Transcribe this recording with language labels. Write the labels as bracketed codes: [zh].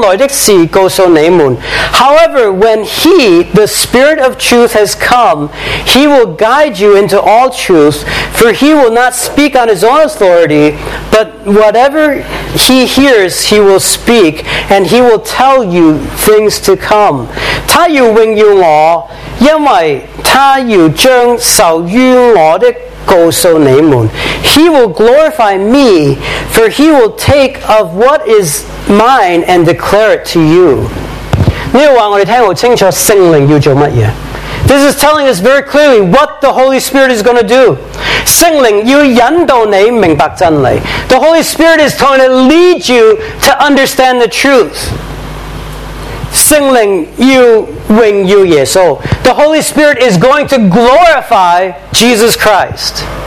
[en] However, when He, the Spirit of truth, has come, He will guide you into all truth, for He will not speak on His own authority, but whatever He hears, He will speak, and He will tell you things to come. [zh] 他要荣耀我，因为他要将受于我的告诉你们。 [en] He will glorify me, for He will take of what is mine and declare it to you. [zh] 你要说我们听好清楚，圣灵要做什么？ [en] This is telling us very clearly what the Holy Spirit is going to do. [zh] 圣灵要引导你明白真理。 [en] The Holy Spirit is going to lead you to understand the truth. [zh] 圣灵要荣耀耶稣。 [en] The Holy Spirit is going to glorify Jesus Christ.